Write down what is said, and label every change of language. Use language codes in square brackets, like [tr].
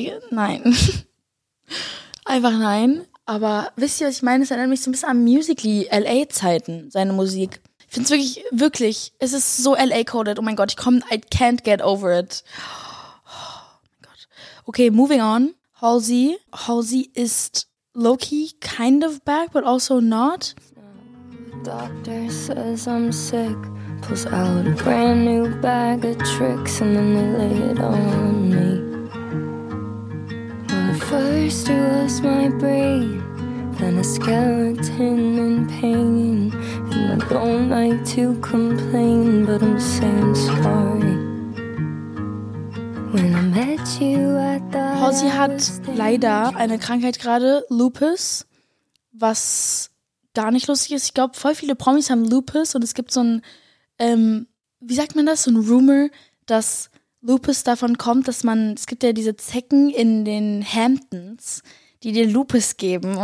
[de] Nein. Einfach nein. Aber wisst ihr, was ich meine? Es erinnert mich so ein bisschen an Musical.ly-LA-Zeiten, seine Musik. Ich finde es wirklich, wirklich, es ist so LA-coded. Oh mein Gott, ich komme, [en] I can't get over it. [de] Oh mein Gott. [en] Okay, moving on. [de] Halsey. [en] Halsey ist low-key kind of back, but also not. The doctor says I'm sick. Pulls out a brand new bag of tricks and then they lay it on me. But first it was my brain. Then a skeleton in pain. And I don't like to complain, but I'm saying sorry. When I met you, I thought. [de] Halsey hat leider eine Krankheit gerade, Lupus, was gar nicht lustig ist. Ich glaube, voll viele Promis haben Lupus und es gibt so ein, wie sagt man das, so ein Rumor, dass Lupus davon kommt, dass man, es gibt ja diese Zecken in den Hamptons, die dir Lupus geben.